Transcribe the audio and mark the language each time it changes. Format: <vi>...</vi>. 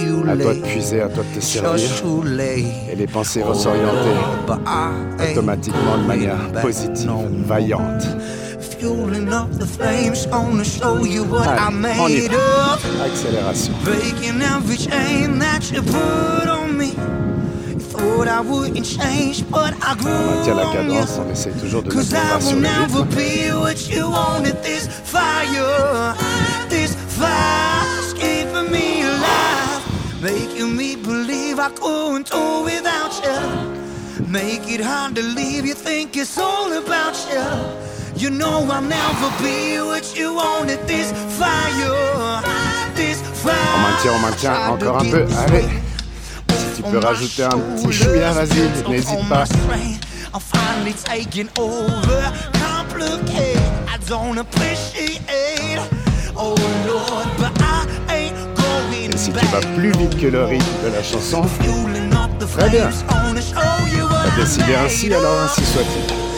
<fr>À toi de puiser, à toi de te servir. Et les pensées vont s'orienter automatiquement de manière positive, vaillante.</fr> <en>Fueling up the flames, gonna show you what I made of.</en> <fr>Accélération.</fr> <en>Breaking every chain that you put on me. Thought I wouldn't change, but I grew on you.</en> <fr>On maintient la cadence, on essaie toujours de mettre sur le rythme.</fr> <en>'Cause I will never be what you wanted. This fire, this fire's keeping me alive. Making me believe I couldn't do without you. Make it hard to leave, you think it's all about you. You know I'll never be what you wanted. This fire, this fire.</en> <fr>On maintient encore un peu, allez. Tu peux rajouter un petit chouïa, vas-y, n'hésite pas.</fr> <en>I'm finally taking over, complicated. I don't appreciate, oh Lord, but I ain't going back.</en> <fr>Et si tu vas plus vite que le rythme de la chanson, très bien. On va décider ainsi, alors ainsi soit-il.</fr>